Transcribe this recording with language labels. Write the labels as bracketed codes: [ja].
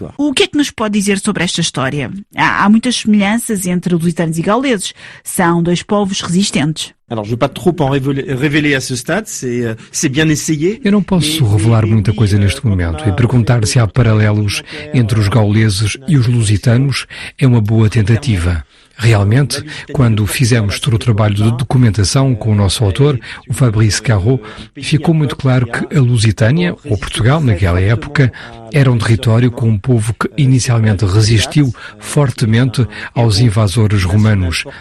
[pt] O que é que nos pode dizer sobre esta história? Há muitas semelhanças entre lusitanos e gauleses. São dois povos resistentes. [fr] Alors, je veux pas trop en révéler à ce stade, c'est bien essayé. [pt] Eu não posso revelar muita coisa neste momento e perguntar se há paralelos entre os gauleses e os lusitanos é uma boa tentativa. Realmente, quando fizemos todo o trabalho de documentação com o nosso autor, o Fabrice Caro, ficou muito claro que a Lusitânia, ou Portugal naquela época, era um território com um povo que inicialmente resistiu fortemente aos invasores romanos.